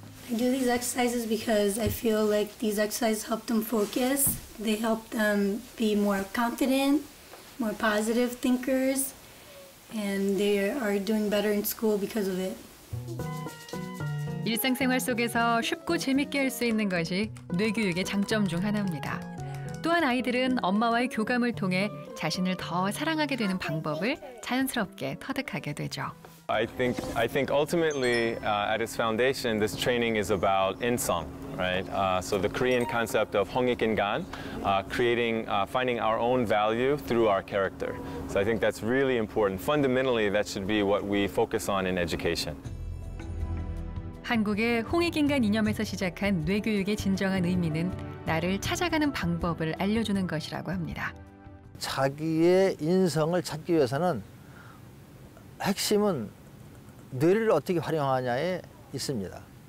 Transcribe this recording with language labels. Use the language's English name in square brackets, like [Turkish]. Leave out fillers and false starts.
[English] I do these exercises because I feel like these exercises help them focus. They help them be more confident, more positive thinkers, and they are doing better in school because of it. [Korean] 일상생활 속에서 쉽고 재밌게 할 수 있는 것이 뇌교육의 장점 중 하나입니다. 또한 아이들은 엄마와의 교감을 통해 자신을 더 사랑하게 되는 방법을 자연스럽게 터득하게 되죠. [English] I think ultimately at its foundation this training is about insung, right? So the Korean concept of hongikingan, finding our own value through our character. So I think that's really important. Fundamentally that should be what we focus on in education. [Korean] 한국의 홍익인간 이념에서 시작한 뇌교육의 진정한 의미는 나를 찾아가는 방법을 알려주는 것이라고 합니다. 자기의 인성을 찾기 위해서는 핵심은 뇌를 어떻게 활용하냐에 있습니다.